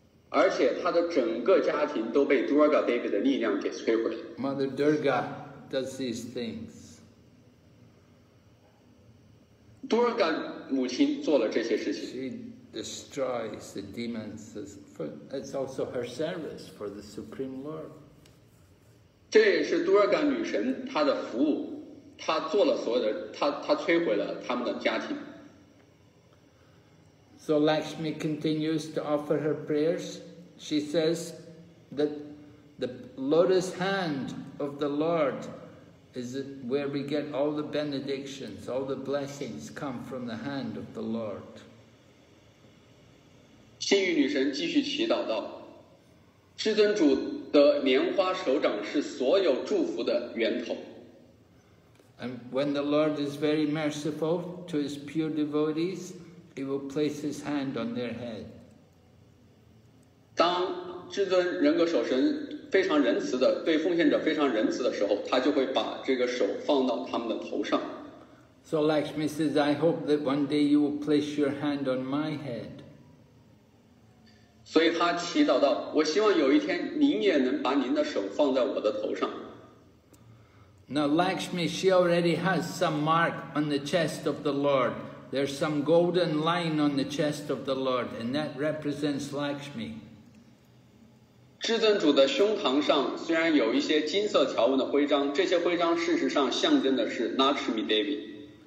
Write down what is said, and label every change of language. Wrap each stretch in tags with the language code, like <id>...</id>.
<zh>而且他的整个家庭都被 Durga Devi 的力量给摧毁了。</zh> <en>Mother Durga does these things.</en> <zh>Durga 母亲做了这些事情。</zh> <en>She destroys the demons. It's also her service for the Supreme Lord.</en> <zh>这也是 Durga 女神她的服务，她做了所有的，她摧毁了他们的家庭。</zh> <en>So Lakshmi continues to offer her prayers. She says that the lotus hand of the Lord. Is it where we get all the benedictions, all the blessings come from the hand of the Lord?</en> <zh>星云女神继续祈祷道：“至尊主的莲花手掌是所有祝福的源头。”</zh> <en>And when the Lord is very merciful to his pure devotees, he will place his hand on their head.</en> <zh>当至尊人格守神。非常仁慈的对奉献者非常仁慈的时候，他就会把这个手放到他们的头上。</zh> <en>So Lakshmi says, I hope that one day you will place your hand on my head.</en> <zh>所以他祈祷道，我希望有一天您也能把您的手放在我的头上。</zh> <en>Now Lakshmi, she already has some mark on the chest of the Lord. There's some golden line on the chest of the Lord, and that represents Lakshmi.</en> <zh>至尊主的胸膛上虽然有一些金色条纹的徽章，这些徽章事实上象征的是 Lakshmi Devi。</zh>